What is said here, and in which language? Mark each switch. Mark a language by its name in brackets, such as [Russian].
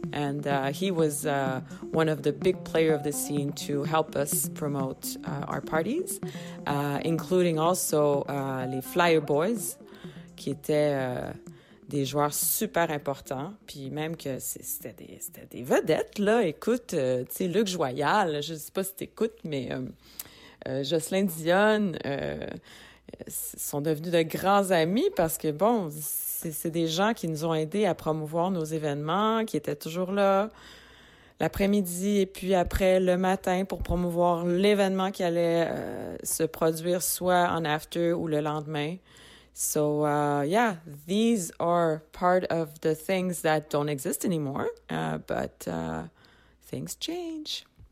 [English] And he was one of the big players of the scene to help us promote our parties, including also [French] les Flyer Boys, qui étaient des joueurs super importants. Puis même que c'était des vedettes, là. Écoute, tu sais, Luc Joyal, je sais pas si t'écoutes, mais Jocelyn Dion sont devenus de grands amis parce que, bon... C'est des gens qui nous ont aidés à promouvoir nos événements, qui étaient toujours là l'après-midi et puis après le matin pour promouvoir l'événement qui allait se produire soit en after ou le lendemain. [English] So, yeah, these are part of the things that don't exist anymore, but things change.